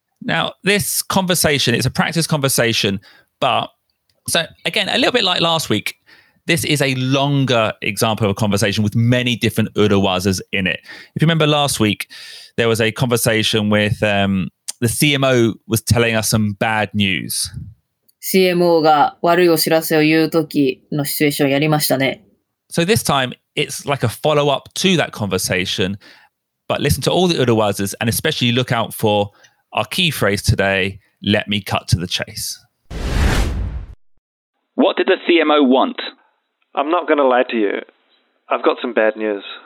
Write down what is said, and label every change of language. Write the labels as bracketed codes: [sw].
[en] Now, this conversation is a practice conversation, butSo again, a little bit like last week, this is a longer example of a conversation with many different urawazas in it. If you remember last week, there was a conversation with the CMO was telling us some bad news. [ja] CMO が悪いお知らせを言う時のシチュエーションをやりましたね。 [en] So this time, it's like a follow-up to that conversation, but listen to all the urawazas and especially look out for our key phrase today, let me cut to the chase. What did the CMO want? I'm not going to lie to you. I've got some bad news.